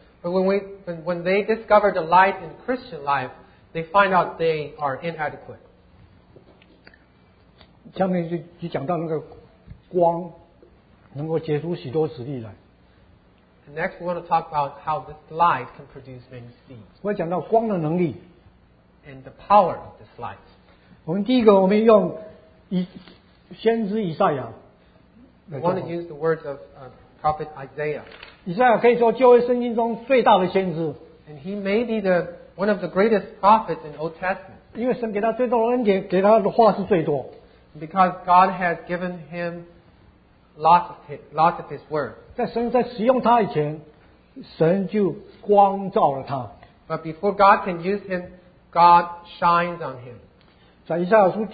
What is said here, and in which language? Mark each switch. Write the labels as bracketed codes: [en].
[en] But when they discover the light in Christian life, they find out they are inadequate. [zh] 下面就讲到那个光能够结出许多子粒来。 [en] Next, we want to talk about how this light can produce many seeds. [zh] 我要讲到光的能力。 [en] And the power of this light. [zh] 我们第一个，我们用先知以赛亚。 [en] We want to use the words of Prophet Isaiah. [zh] 以赛亚可以说旧约圣经中最大的先知。 [en] And he may be the one of the greatest prophets in Old Testament. [zh] 因为神给他最多的恩典，给他的话是最多。 [en] Because God has given him lots of his word. [zh] 在神在使用他以前，神就光照了他。 [en] But before God can use him, God shines on him.